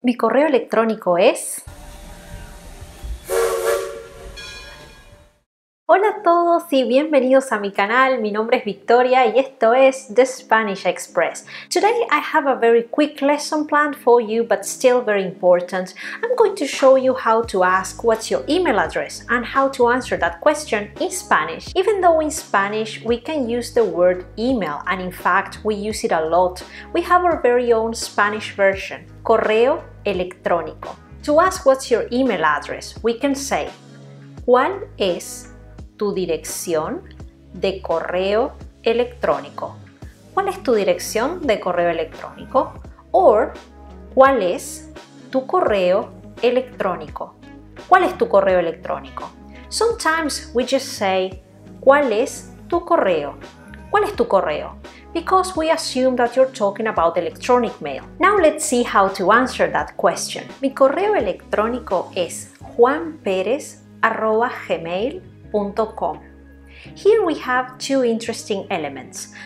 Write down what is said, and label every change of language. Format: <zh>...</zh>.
<es>Mi correo electrónico es... Hola a todos y bienvenidos a mi canal. Mi nombre es Victoria y esto es The Spanish Express.</es> <en>Today I have a very quick lesson planned for you, but still very important. I'm going to show you how to ask what's your email address and how to answer that question in Spanish. Even though in Spanish we can use the word email, and in fact we use it a lot, we have our very own Spanish version, correo electrónico. To ask what's your email address, we can say,</en> <es>¿cuál es tu dirección de correo electrónico? ¿Cuál es tu dirección de correo electrónico? Or, ¿cuál es tu correo electrónico? ¿Cuál es tu correo electrónico?</es> <en>Sometimes we just say,</en> <es>¿cuál es tu correo? ¿Cuál es tu correo?</es> <en>Because we assume that you're talking about electronic mail. Now let's see how to answer that question.</en> <es>Mi correo electrónico es juanperez@gmail.com.</es> <en>Here we have two interesting elements.</en>